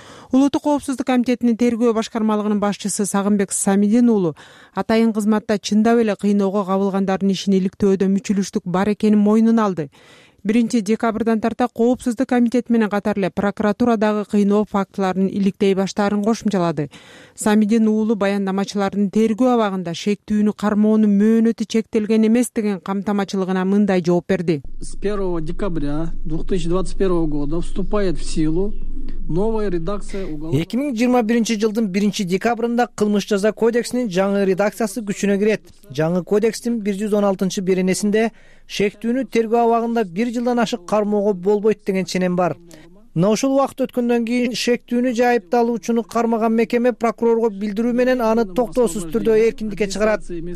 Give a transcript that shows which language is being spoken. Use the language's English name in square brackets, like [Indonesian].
[Kyrgyz] Улуттук коопсуздук комитетинин тергөө башкармалыгынын башчысы Сагынбек Самидин уулу атайын кызматта чындап эле кыйноого кабылгандардын ишин иликтөөдө мүчүлүштүк бар экенин мойнуна алды. 1-декабрдан тарта коопсуздук комитети менен катар эле прокуратурадагы кыйноо фактыларын иликтей баштаарын кошумчалады. Самидин уулу баяндамачылардын тергөө абагында шектүүнү кармоонун мөөнөтү чектелген эмес деген камтамачылыгына мындай жооп берди. [Russian] С 1 декабря 2021 года вступает в силу [Kyrgyz] 2021 жылдын 1-декабрында кылмыш жаза кодексинин жаңы редакциясы күчүнө кирет. Жаңы кодекстин 116-беренесинде шектүүнү тергөө абагында бир жылдан ашык кармоого болбойт деген ченем бар. Мына ушул убакыт өткөндөн кийин шектүүнү же айыпталуучуну кармаган мекеме прокурорго билдирүү менен аны токтоосуз түрдө эркиндикке чыгарат.